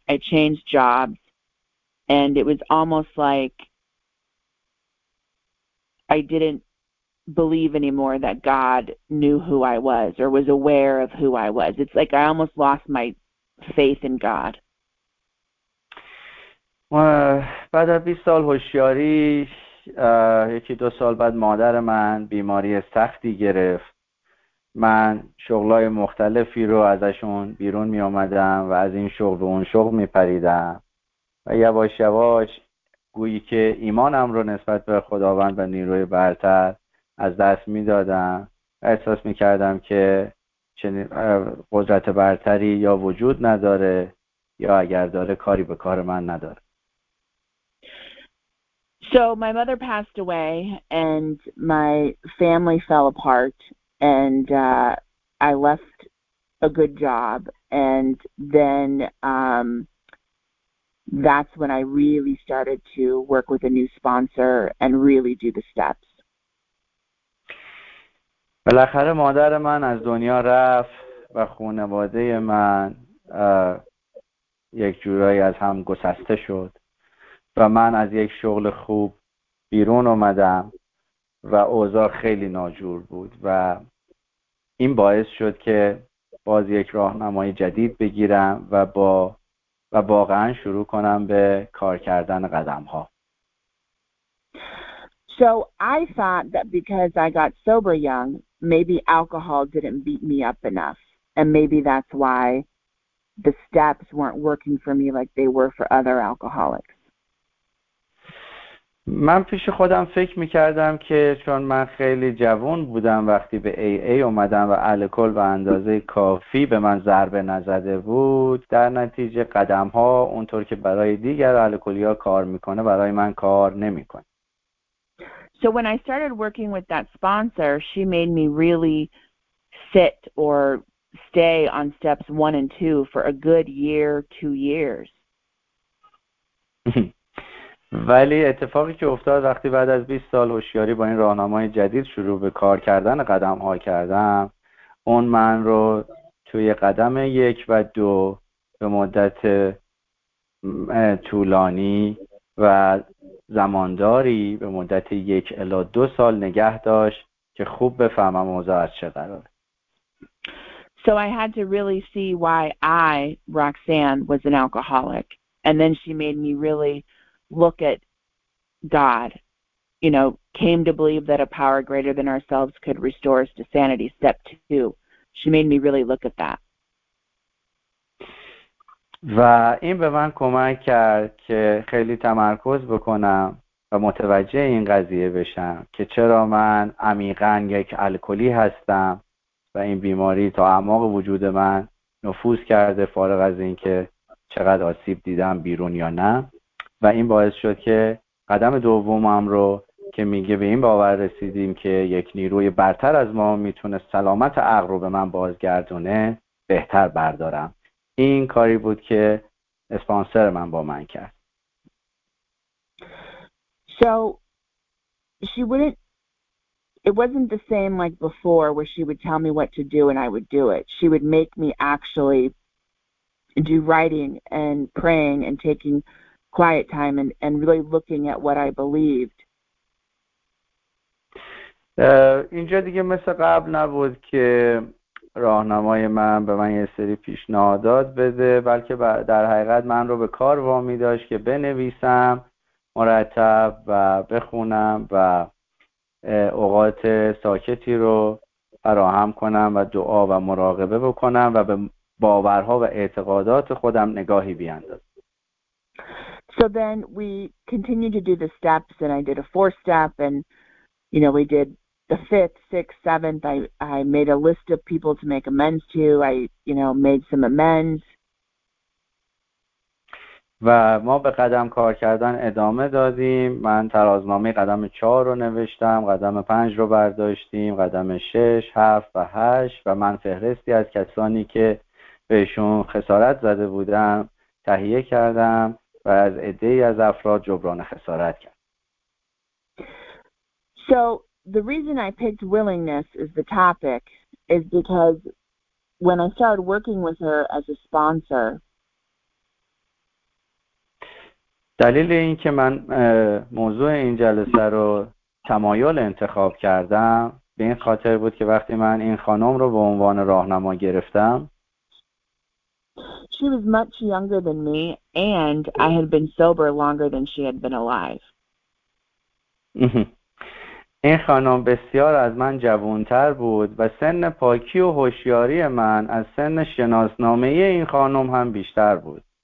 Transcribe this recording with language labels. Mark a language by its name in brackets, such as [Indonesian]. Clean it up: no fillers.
[English] I changed jobs and it was almost like I didn't believe anymore that God knew who I was or was aware of who I was. It's like I almost lost my faith in God. [Persian] بعد از 20 سال هوشیاری یکی دو سال بعد مادر من بیماری سختی گرفت. من شغلای مختلفی رو ازشون بیرون می آمدم و از این شغل و اون شغل می پریدم و یواش یواش گویی که ایمانم رو نسبت به خداوند و نیروی برتر از دست می دادم و احساس می کردم که قدرت برتری یا وجود نداره یا اگر داره کاری به کار من نداره. [English] So my mother passed away and my family fell apart. And I left a good job, and then that's when I really started to work with a new sponsor and really do the steps. [Persian] بالاخره مادر من از دنیا رفت و خانواده من یک جورایی از هم گسسته شد و من از یک شغل خوب بیرون اومدم و اوضاع خیلی ناجور بود و این باعث شد که باز یک راهنمای جدید بگیرم و واقعا شروع کنم به کار کردن قدم‌ها. [English] So I thought that because I got sober young, maybe alcohol didn't beat me up enough and maybe that's why the steps weren't working for me like they were for other alcoholics. [Persian] من پیش خودم فکر میکردم که چون من خیلی جوان بودم وقتی به AA اومدم و الکل به اندازه کافی به من ضربه نزده بود، در نتیجه قدم ها اونطور که برای دیگر الکلی ها کار میکنه برای من کار نمیکنه. [English] So when I started working with that sponsor, she made me really sit or stay on steps 1 and 2 for a good year, 2 years. [Persian] ولی اتفاقی که افتاد وقتی بعد از 20 سال هوشیاری با این راهنمای جدید شروع به کار کردن قدم‌ها کردم، اون من رو توی قدم 1 و 2 به مدت طولانی و زمانداری به مدت 1 الی 2 سال نگه داشت که خوب بفهمم اوضاع از چه قراره. [English] So I had to really see why I, Roxanne, was an alcoholic. And then she made me really look at God, you know, came to believe that a power greater than ourselves could restore us to sanity. Step 2. She made me really look at that. [Persian] و این به من کمک کرد که خیلی تمرکز بکنم و متوجه این قضیه بشم که چرا من عمیقا یک الکلی هستم و این بیماری تا اعماق وجود من نفوذ کرده، فارغ از اینکه چقدر آسیب دیدم بیرون یا نه. و این باعث شد که قدم دومم رو که میگه به این باور رسیدیم که یک نیروی برتر از ما میتونه سلامت عقل رو به من بازگردونه بهتر بردارم. این کاری بود که اسپانسر من با من کرد. [English] So she wouldn't, it wasn't the same like before where she would tell me what to do and I would do it. She would make me actually do writing and praying and taking quiet time and really looking at what I believed. [Persian] اینجا دیگه مثل قبل نبود که راهنمای من به من یه سری پیشنهادات بده، بلکه در حقیقت من رو به کار وامی داشت که بنویسم مرتب و بخونم و اوقات ساکتی رو فراهم کنم و دعا و مراقبه بکنم و به باورها و اعتقادات خودم نگاهی بیاندازم. [English] So then we continued to do the steps, and I did a four step, and you know, we did the fifth, sixth, seventh. I made a list of people to make amends to. I, you know, made some amends. [Persian] و ما به قدم کار کردن ادامه دادیم. من ترازنامه قدم 4 رو نوشتم، قدم 5 رو برداشتیم، قدم 6، 7 و 8 و من فهرستی از کسانی که بهشون خسارت زده بودم تهیه کردم و از عده‌ای از افراد جبران خسارت کردم. [English] So the reason I picked willingness as the topic is because when I started working with her as a sponsor, [Persian] دلیل این که من موضوع این جلسه رو تمایل انتخاب کردم به این خاطر بود که وقتی من این خانم رو به عنوان راهنما گرفتم، [English] She was much younger than me and I had been sober longer than she had been alive. [Persian] این خانم بسیار از من جوان‌تر بود و سن پاکی و هوشیاری من از سن شناسنامه این خانم هم بیشتر بود.